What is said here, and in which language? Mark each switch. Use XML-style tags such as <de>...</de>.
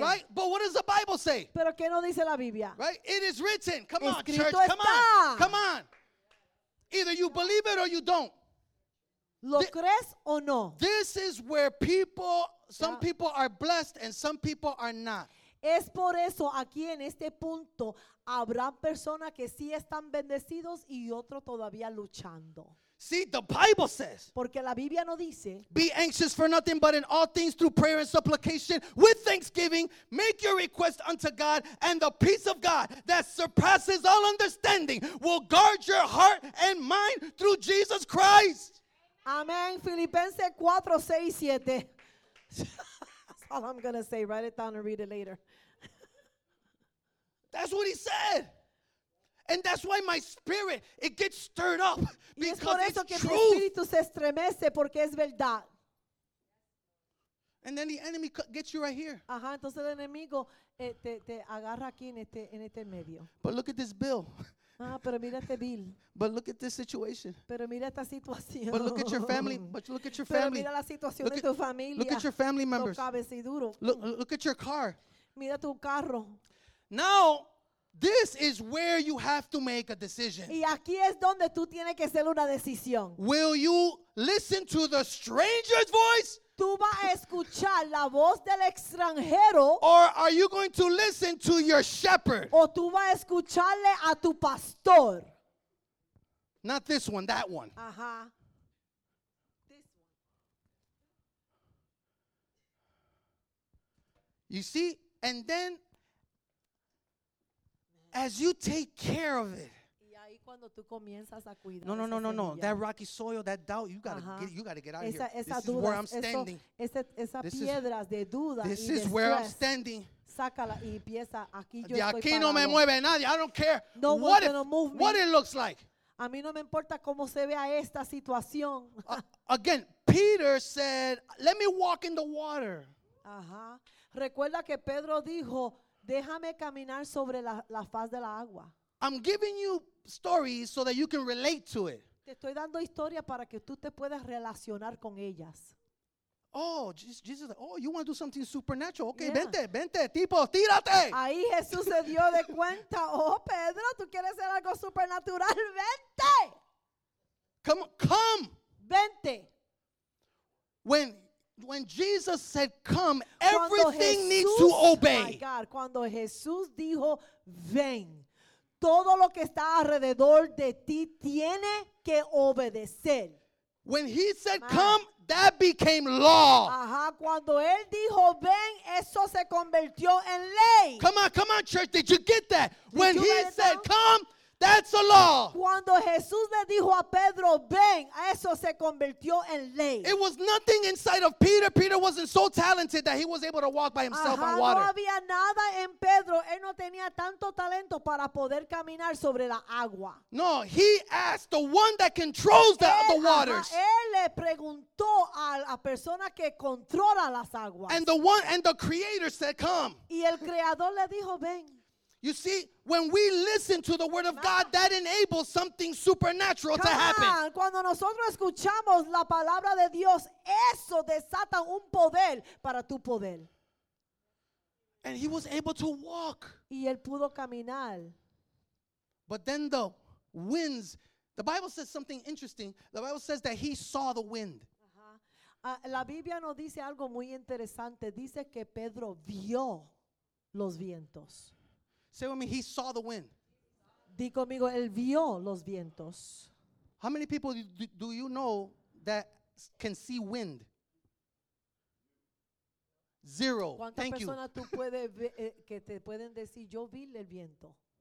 <en>Right. But what does the Bible say?</en> <es>Pero qué no dice la Biblia.</es> <en>Right. It is written. Come</en> <es>escrito</es> <en>on, church.</en> <es>Está.</es> <en>Come on. Either you believe it or you don't.</en> <es>¿Lo crees o no?</es> <en>This is where some people are blessed and some people are not.</en> <es>Es por eso aquí en este punto habrá personas que sí están bendecidos y otros todavía luchando.</es> <en>See, the Bible says,</en> <es>porque la Biblia no dice,</es> <en>be anxious for nothing but in all things through prayer and supplication with thanksgiving, make your request unto God, and the peace of God that surpasses all understanding will guard your heart and mind through Jesus Christ. Amén. Filipenses 4, 6, 7. That's all I'm going to say. Write it down and read it later. That's what he said. And that's why my spirit, it gets stirred up. Because</en> <es>y es por eso</es> <en>it's</en> <es>que</es> <en>truth.</en> <es>Mi espíritu se estremece porque es verdad.</es> <en>And then the enemy gets you right here.</en> <es>Ajá, entonces el enemigo te agarra aquí en este medio.</es> <en>But look at this bill.</en> <es>Pero mira este bill.</es> <en>But look at this situation.</en> <es>Pero mira esta situación.</es> <en>But look at your family. But look at your family.</en> <es>Pero mira la situación de tu familia.</es> <en>Look at your family members. Look at your car.</en> <es>Mira tu carro.</es> <en>Now, this is where you have to make a decision.</en> <es>Y aquí es donde tú tienes que hacer una decisión.</es> <en>Will you listen to the stranger's voice?</en> <es>Tú vas a escuchar la voz del extranjero.</es> <en>Or are you going to listen to your shepherd?</en> <es>O tú vas a escucharle a tu pastor.</es> <en>Not this one, that one. Ajá. This one. You see? And then, as you take care of it. No. That rocky soil, that doubt, you gotta get out of here. This is where I'm standing. This is where I'm standing.</en> <es>Sácala y empieza aquí. De aquí no me mueve nadie.</es> <en>I don't care what it looks like.</en> <es>A mí no me importa cómo se vea esta situación.</es> <en>Again, Peter said, "Let me walk in the water." Ajá.</en> <es>Recuerda que Pedro dijo, déjame caminar sobre la faz de la agua.</es> <en>I'm giving you stories so that you can relate to it.</en> <es>Te estoy dando historias para que tú te puedas relacionar con ellas.</es> <en>Oh, Jesus, you want to do something supernatural?</en> <es>Okay, vente, tipo, tírate. Ahí Jesús se dio de cuenta. Oh, Pedro, tú quieres hacer algo supernatural, vente.</es> <en>Come.</en> <es>Vente.</es> <en>When Jesus said, come, everything needs to obey. My God,</en> <es>cuando Jesús dijo, ven, todo lo que está alrededor de ti tiene que obedecer.</es> <en>When he said, come, that became law.</en> <es>Ajá, cuando él dijo, ven, eso se convirtió en ley.</es> <en>Come on, church, did you get that? When he said, come, that's a law.</en> <es>Cuando Jesús le dijo a Pedro, ven, eso se convirtió en ley.</es> <en>It was nothing inside of Peter. Peter wasn't so talented that he was able to walk by himself on water.</en> <es>No había nada en Pedro. Él no tenía tanto talento para poder caminar sobre la agua.</es> <en>No, he asked the one that controls the waters.</en> <es>Él le preguntó a la persona que controla las aguas.</es> <en>And the creator said, come.</en> <es>Y el creador le dijo, ven.</es> <en>You see, when we listen to the word of God, that enables something supernatural to happen.</en> <es>Cuando nosotros escuchamos la palabra de Dios, eso desata un poder para tu poder.</es> <en>And he was able to walk.</en> <es>Y él pudo caminar.</es> <en>But then the winds, the Bible says something interesting. The Bible says that he saw the wind.</en> <es>La Biblia nos dice algo muy interesante. Dice que Pedro vio los vientos.</es> <en>Say with me, he saw the wind.</en> <es>Di conmigo, él vio los vientos.</es> <en>How many people do you know that can see wind? Zero. Thank you.</en> <es>¿Cuántas personas tú puedes que te pueden decir yo vi el viento?</es>